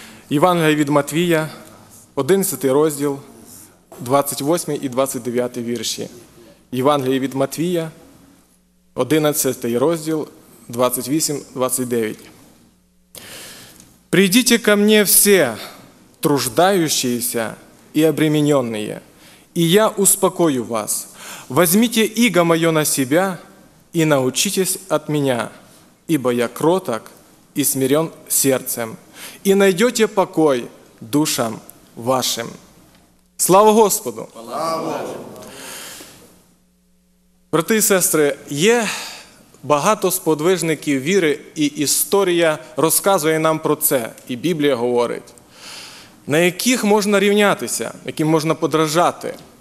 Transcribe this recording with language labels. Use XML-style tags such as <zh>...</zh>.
<uk>Євангеліє від Матвія, 11 розділ, 28 і 29 вірші. Євангеліє від Матвія, 11 розділ, 28-29. «Прийдіть</uk> <ru>ко мне все, труждающиеся и обремененные, и я успокою вас. Возьмите иго мое на себя и научитесь от меня, ибо я кроток и смирен сердцем, и найдете покой душам вашим». Слава Господу! Слава!</ru> <uk>Брати і сестри, є багато сподвижників віри, і історія розказує нам про це, і Біблія говорить. На яких можна рівнятися, яким можна подражати?</uk>